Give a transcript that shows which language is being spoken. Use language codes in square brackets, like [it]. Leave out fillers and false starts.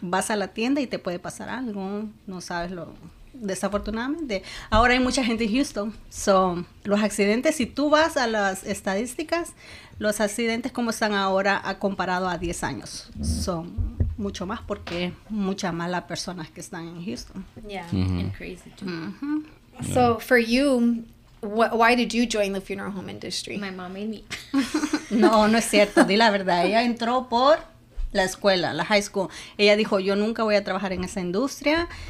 [es] Vas a la tienda y te puede pasar algo, no sabes lo... desafortunadamente. Ahora hay mucha gente en Houston, so, los accidentes, si tú vas a las estadísticas, los accidentes como están ahora a comparado a 10 años, son mucho más porque muchas más las personas que están en Houston. [en] Yeah, mm-hmm. And crazy too. Mm-hmm. Yeah. So, for you, why did you join the funeral home industry? My mom made me. [es] No, no es cierto, di la verdad, ella entró por la escuela, la high school. Ella dijo, yo nunca voy a trabajar en esa industria.